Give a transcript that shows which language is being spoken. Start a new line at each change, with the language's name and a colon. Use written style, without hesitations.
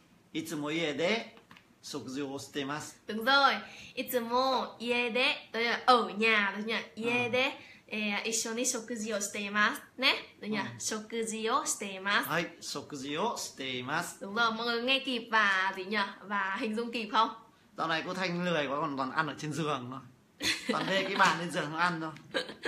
Japanese: いつも家で食事をしてます.
Vietnamese: Đúng rồi.
Japanese: いつも家で,
Vietnamese: tức là ở nhà đúng không nhỉ?
Japanese: 家で一緒に食事をしています ね,
Vietnamese: đúng nhỉ?
Japanese: 食事をしています. はい、食事をしています.
Vietnamese: Đúng rồi, mọi người nghe kịp và gì nhỉ? Và hình dung kịp không? Dạo này cô Thanh lười quá, còn toàn ăn ở trên giường thôi. Toàn để cái bàn lên giường ăn thôi.